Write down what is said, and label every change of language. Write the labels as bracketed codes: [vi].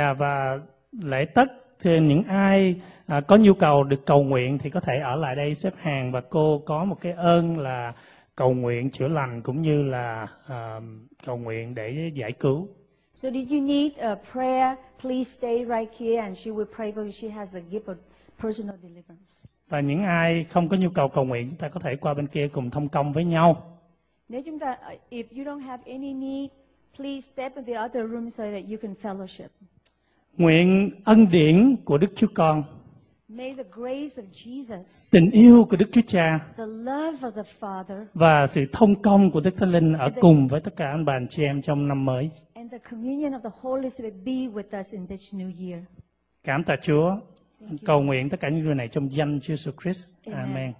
[vi] Yeah, và lễ tất thì những ai có nhu cầu được cầu nguyện thì có thể ở lại đây xếp hàng và cô có một cái ơn là cầu nguyện chữa lành cũng như là cầu nguyện để giải cứu. [en] So did you need a prayer? Please stay right here and she will pray for you. She has the gift of personal deliverance. [vi] Và những ai không có nhu cầu cầu nguyện, chúng ta có thể qua bên kia cùng thông công với nhau. Nếu chúng ta, [en] if you don't have any need, please step in the other room so that you can fellowship. [vi] Nguyện ân điển của Đức Chúa Con, [en] may the grace of Jesus, [vi] tình yêu của Đức Chúa Cha, [en] the love of the Father, [vi] và sự thông công của Đức Thánh Linh ở cùng với tất cả anh bà anh chị em trong năm mới. [en] And the communion of the Holy Spirit be with us in this new year. [vi] Cảm tạ Chúa. Cầu nguyện tất cả những điều này trong danh Chúa Jesus Christ. Amen.